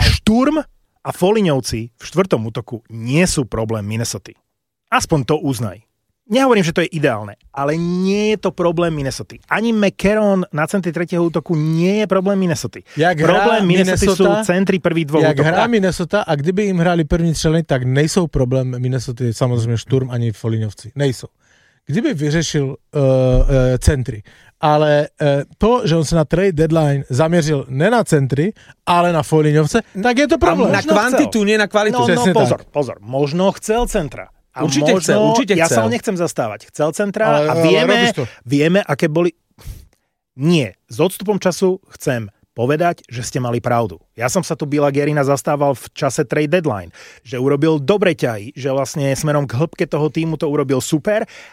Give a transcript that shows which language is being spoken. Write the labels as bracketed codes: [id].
[sk] Šturm a Foligňovci v štvrtom útoku nie sú problém Minnesota. Aspoň to uznaj. Nehovorím, že to je ideálne, ale nie je to problém Minnesota. Ani McCarron na centri tretieho útoku nie je problém Minnesota. [cs] Jak [sk] problém Minnesota sú centri prvý dvoch útokov. [cs] Jak hrá Minnesota a kdyby im hrali první střelení, tak nejsou problém Minnesota, samozrejme Šturm ani Foligňovci. Nejsou. Kdyby vyřešil centri, ale to, že on se na trade deadline zaměřil ne na centry, ale na Foligňovce, tak je to problém. [sk] A na kvantitu, nie na kvalitu. No, pozor. Možno chcel centra. A určite možno, chcel, určite ja chcel. Ja sa ho nechcem zastávať. Chcel centra ale vieme, aké boli. Nie, s odstupom času chcem povedať, že ste mali pravdu. Ja som sa tu Billa Guerina zastával v čase trade deadline, že urobil dobre ťahy, že vlastne smerom k hĺbke toho týmu to urobil super.